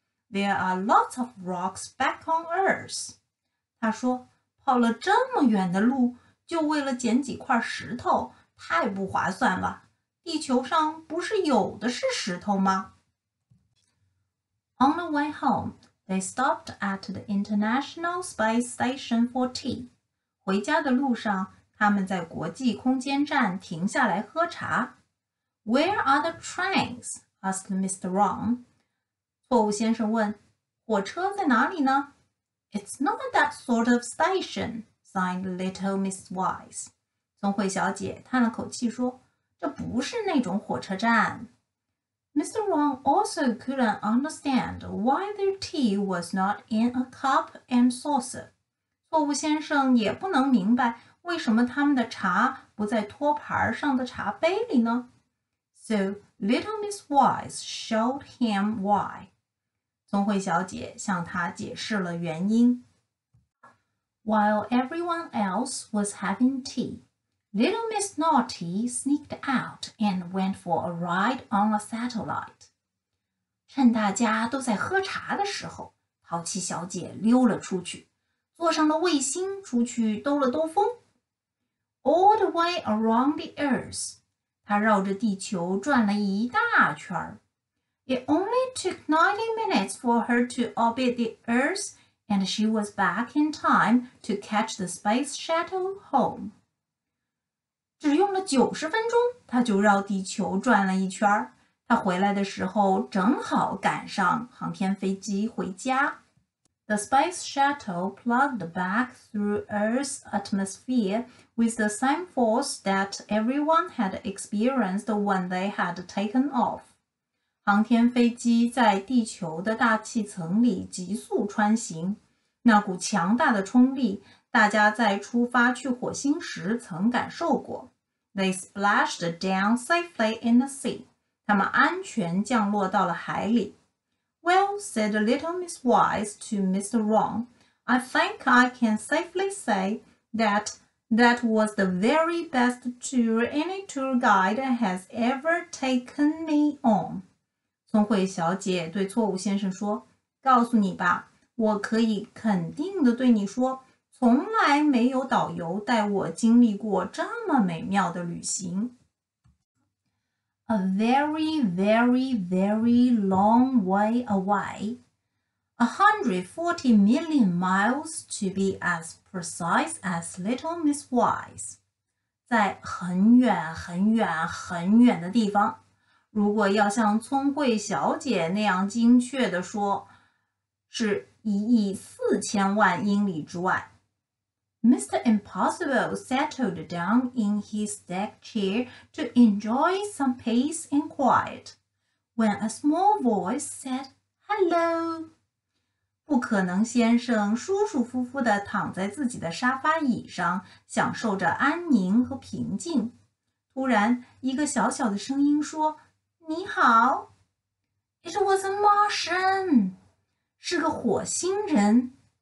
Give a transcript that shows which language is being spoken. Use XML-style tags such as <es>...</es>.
<en>There are lots of rocks back on Earth.</en> <zh>他说，跑了这么远的路，就为了捡几块石头，太不划算了。地球上不是有的是石头吗？</zh> <en>On the way home,They stopped at the International Space Station for tea.</en> <zh>回家的路上，他们在国际空间站停下来喝茶。</zh> <en>Where are the trains? Asked Mr. Wrong.</en> <zh>错误先生问，火车在哪里呢？</zh> <en>It's not that sort of station, sighed little Miss Wise.</en> <zh>聪慧小姐叹了口气说，这不是那种火车站。</zh> <en>Mr. Wong also couldn't understand why their tea was not in a cup and saucer.</en> <zh>错误先生也不能明白为什么他们的茶不在托盘上的茶杯里呢。</zh> <en>So little Miss Wise showed him why.</en> <zh>聪慧小姐向他解释了原因。</zh> <en>While everyone else was having tea,Little Miss Naughty sneaked out and went for a ride on a satellite.</en> <zh>趁大家都在喝茶的时候，淘气小姐溜了出去，坐上了卫星出去兜了兜风。</zh> <en>All the way around the Earth.</en> <zh>她绕着地球转了一大圈。</zh> <en>It only took 90 minutes for her to orbit the Earth, and she was back in time to catch the space shuttle home.</en> <zh>只用了90分钟，他就绕地球转了一圈。他回来的时候正好赶上航天飞机回家。</zh> <en>The space shuttle plugged back through Earth's atmosphere with the same force that everyone had experienced when they had taken off.</en> <zh>航天飞机在地球的大气层里急速穿行，那股强大的冲力大家在出发去火星时曾感受过。</zh> <en>They splashed down safely in the sea.</en> <zh>他们安全降落到了海里。</zh> <en>Well, said little Miss Wise to Mr. Wrong, I think I can safely say that that was the very best tour any tour guide has ever taken me on.</en> <zh>聪慧小姐对错误先生说，告诉你吧，我可以肯定地对你说，从来没有导游带我经历过这么美妙的旅行。</zh> <en>A very, very, very long way away. 140 million miles to be as precise as little Miss Wise.</en> <zh>在很远很远很远的地方，如果要像聪慧小姐那样精确地说，是 1.4亿英里之外。</zh> <en>Mr. Impossible settled down in his deck chair to enjoy some peace and quiet, when a small voice said, Hello!</en> <zh>不可能先生舒舒服服地躺在自己的沙发椅上，享受着安宁和平静。突然，一个小小的声音说，你好。</zh> <en>It was a Martian.</en> <zh>是个火星人。</zh>